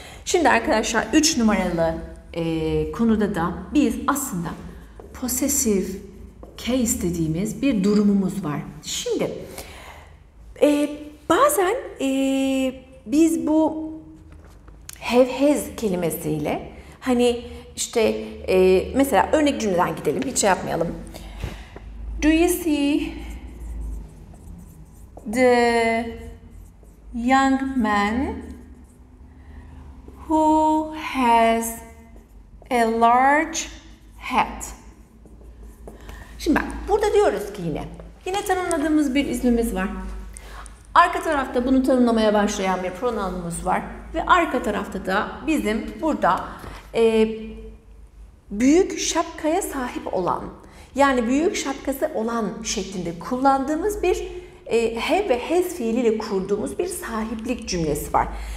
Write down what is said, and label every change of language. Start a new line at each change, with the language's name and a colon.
Turkish: Şimdi arkadaşlar 3 numaralı konuda da biz aslında possessive case dediğimiz bir durumumuz var. Şimdi bazen biz bu have has kelimesiyle hani işte mesela örnek cümleden gidelim, hiç şey yapmayalım.
English: Do you see the young man who has a large hat?
Turkish: Şimdi bak, burada diyoruz ki yine tanımladığımız bir ismimiz var. Arka tarafta bunu tanımlamaya başlayan bir pronounumuz var. Ve arka tarafta da bizim burada büyük şapkaya sahip olan, yani büyük şapkası olan şeklinde kullandığımız bir have ve has fiiliyle kurduğumuz bir sahiplik cümlesi var.